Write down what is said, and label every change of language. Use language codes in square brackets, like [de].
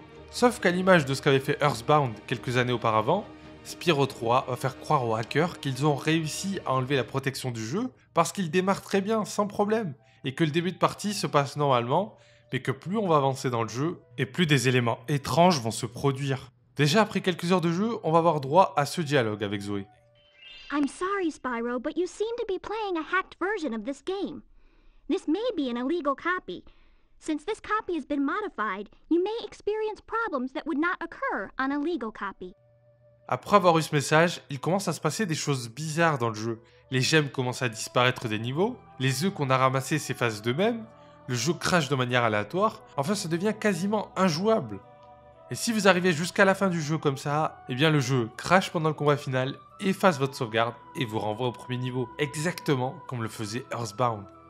[fr] Sauf qu'à l'image de ce qu'avait fait Earthbound quelques années auparavant, Spyro 3 va faire croire aux hackers qu'ils ont réussi à enlever la protection du jeu parce qu'il démarre très bien, sans problème, et que le début de partie se passe normalement, mais que plus on va avancer dans le jeu, et plus des éléments étranges vont se produire. Déjà après quelques heures de jeu, on va avoir droit à ce dialogue avec Zoé. [en] I'm sorry Spyro, but you seem to be playing a hacked version of this game. This may be an illegal copy. Since this copy has been modified, you may experience problems that would not occur on a legal copy. [fr] Après avoir eu ce message, il commence à se passer des choses bizarres dans le jeu. Les gemmes commencent à disparaître des niveaux, les œufs qu'on a ramassés s'effacent d'eux-mêmes, le jeu crache de manière aléatoire, enfin ça devient quasiment injouable. Et si vous arrivez jusqu'à la fin du jeu comme ça, eh bien le jeu crache pendant le combat final, efface votre sauvegarde et vous renvoie au premier niveau, exactement comme le faisait Earthbound.